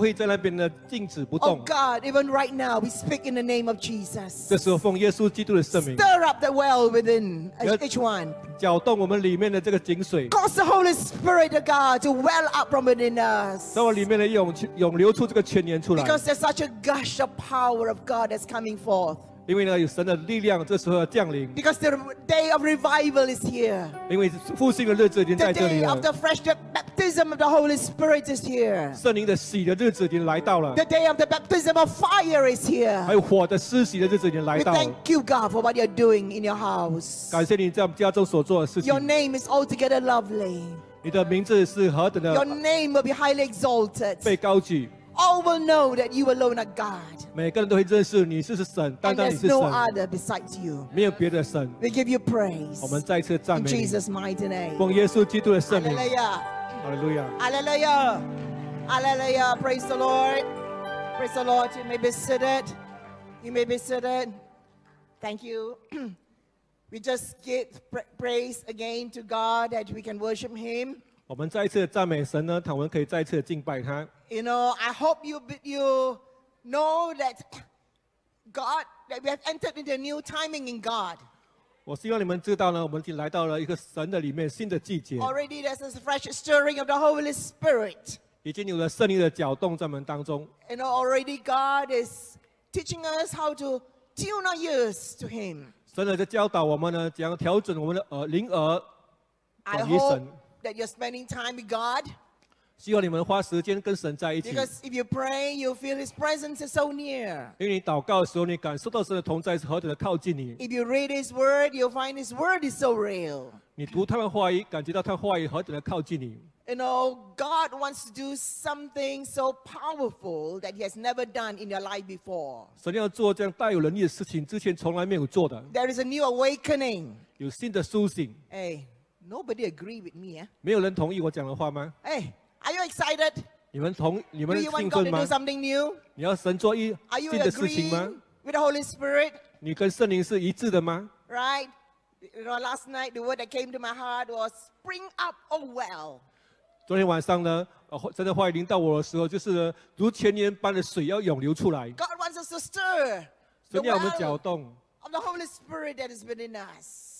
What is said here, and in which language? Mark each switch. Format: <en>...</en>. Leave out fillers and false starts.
<zh>你放在我们里面的水呢，不会在那边呢静止不动。Oh</zh> <en>God, even right now, we speak in the name of Jesus.</en> <zh>这时候奉耶稣基督的圣名</zh> <en>，Stir up the well within each one.</en> <zh>搅动我们里面的这个井水</zh> <en>，Cause the Holy Spirit of God to well up from within us.</en> <zh>让我里面的涌流出这个泉源出来</zh> <en>，Because there's such a gush of power of God that's coming forth.</en> <zh>因为呢，有神的力量，这时候要降临。</zh> <en>Because the day of revival is here.</en> <zh>因为复兴的日子已经在这里了。</zh> <en>The day of the fresh baptism of the Holy Spirit is here.</en> <zh>圣灵的洗的日子已经来到了。</zh> <en>The day of the baptism of fire is here.</en> <zh>还有火的施洗的日子已经来到了。</zh> <en>We thank you, God, for what you're doing in your house.</en> <zh>感谢你在家中所做的事情。</zh> <en>Your name is altogether lovely.</en> <zh>你的名字是何等的。</zh> <en>Your name will be highly exalted.</en> <zh>被高举。</zh> <en>All will know that you alone are God.</en> <zh>每个人都会认识你是神, 单单你是神,</zh> <en>and there's no other besides you.</en> <zh>没有别的神,</zh> <en>we give you praise.</en> <zh>我们再次赞美你,</zh> <en>in Jesus' mighty name.</en> <zh>奉耶稣基督的圣名,</zh> <en>Hallelujah. Hallelujah. Hallelujah. Hallelujah. Praise the Lord. Praise the Lord. You may be seated. You may be seated. Thank you. We just give praise again to God that we can worship Him.</en> <zh>我们再一次赞美神呢，他们可以再一次敬拜他。</zh> <en>You know, I hope you know that God, that we have entered into a new timing in God.</en> <zh>我希望你们知道呢，我们已经来到了一个神的里面，新的季节。</zh> <en>Already there's a fresh stirring of the Holy Spirit.</en> <zh>已经有了圣灵的搅动在门当中。</zh> <en>You know, already God is teaching us how to tune our ears to Him.</en> <zh>神在教导我们呢，怎样调整我们的灵耳转移神。</zh> <en>That you're spending time with God.</en> <zh>希望你们花时间跟神在一起。</zh> <en>Because if you pray, you feel His presence is so near.</en> <zh>因为你祷告的时候, 你感受到神的同在是何等的靠近你。</zh> <en>If you read His word, you'll find His word is so real.</en> <zh>你读他的话语, 感觉到他的话语何等的靠近你。</zh> <en>You know, God wants to do something so powerful that He has never done in your life before.</en> <zh>神要做这样大有能力的事情, 之前从来没有做的。</zh> <en>There is a new awakening.</en> <zh>有新的苏醒。</zh> <en>Hey. Nobody agree with me, eh?</en> <zh>没有人同意我讲的话吗?</zh> <en>Hey, are you excited?</en> <zh>你们兴奋吗?</zh> <en>Do you want God to do something new?</en> <zh>你要神做一,</zh> <en>are you agreeing with the Holy Spirit?</en> <zh>你跟圣灵是一致的吗?</zh> <en>Right? You know, last night, the word that came to my heart was, spring up, oh well.</en> <zh>昨天晚上呢, 神的话已经到我的时候就是呢, 如泉源般的水要涌流出来。</zh> <en>God wants us to stir.</en> <zh>神要我们搅动。</zh> <en>Of the Holy Spirit that is within us.</en>